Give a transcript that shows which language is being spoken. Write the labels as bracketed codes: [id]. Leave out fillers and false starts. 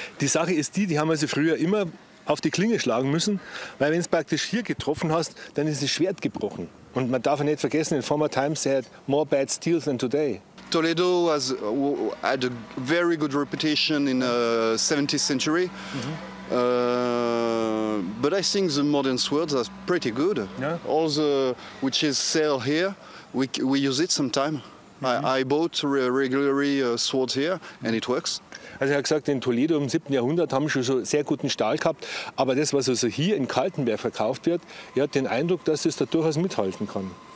[de] Die Sache ist die, die haben also früher immer auf die Klinge schlagen müssen, weil wenn es praktisch hier getroffen hast, dann ist das Schwert gebrochen. Und man darf nicht vergessen, [en] in former times they had more bad steel than today. Toledo had a very good reputation in the 17th century. Mm-hmm. But I think the modern swords are pretty good. Yeah. All the, which is sale here, we use it sometime. Mm-hmm. I bought regularly swords here, mm-hmm, and it works. [de] Also er hat gesagt, in Toledo im 7. Jahrhundert haben schon so sehr guten Stahl gehabt, aber das, was also hier in Kaltenberg verkauft wird, er hat den Eindruck, dass es da durchaus mithalten kann.